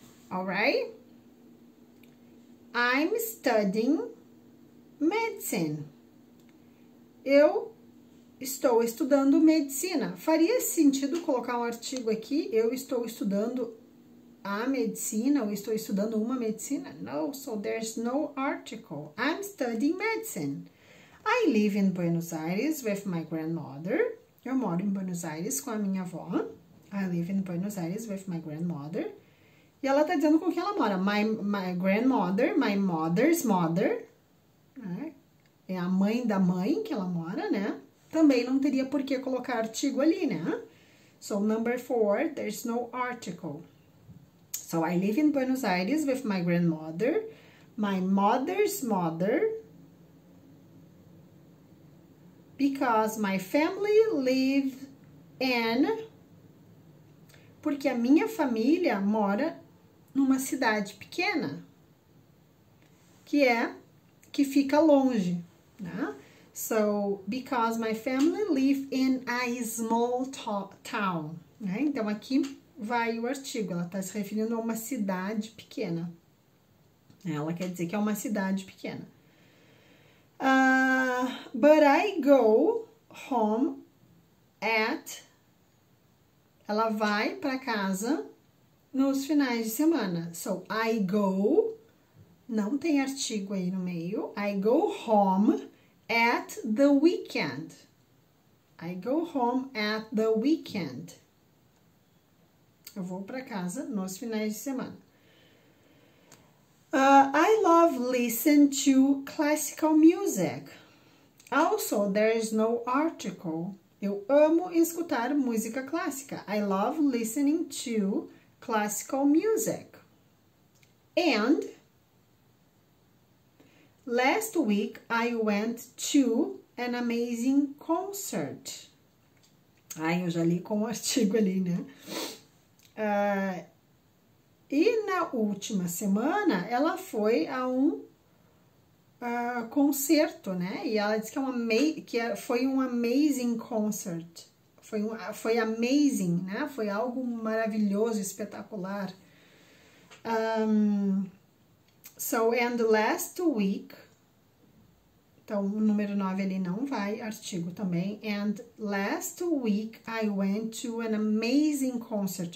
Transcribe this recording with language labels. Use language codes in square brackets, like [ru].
[en] All right. I'm studying medicine. [pt] Eu estou estudando medicina. Faria sentido colocar um artigo aqui? Eu estou estudando a medicina, ou estou estudando uma medicina? [en] No, so there's no article. I'm studying medicine. I live in Buenos Aires with my grandmother. Eu moro em Buenos Aires com a minha avó. I live in Buenos Aires with my grandmother. [pt] E ela tá dizendo com quem ela mora. [en] My grandmother, my mother's mother. [pt] É a mãe da mãe que ela mora, né? Também não teria por que colocar artigo ali, né? [en] So, number four, there's no article. So, I live in Buenos Aires with my grandmother, my mother's mother, because my family live in... [pt] Porque a minha família mora numa cidade pequena, que fica longe, né? [en] So, because my family live in a small town, né? [pt] Então, aqui vai o artigo, ela está se referindo a uma cidade pequena. Ela quer dizer que é uma cidade pequena. [en] But I go home at... [pt] Ela vai para casa nos finais de semana. [en] So, I go... [pt] Não tem artigo aí no meio. [en] I go home at the weekend. I go home at the weekend. [pt] Eu vou para casa nos finais de semana. [en] I love listen to classical music. Also, there is no article. [pt] Eu amo escutar música clássica. [en] I love listening to classical music. And last week I went to an amazing concert. [pt] Ai, eu já li com o artigo ali, né? E na última semana, ela foi a um concerto, né? E ela disse que, foi um amazing concert. Foi amazing, né? Foi algo maravilhoso, espetacular. [en] And last week... [pt] Então, o número 9 ali não vai, artigo também. [en] And last week, I went to an amazing concert.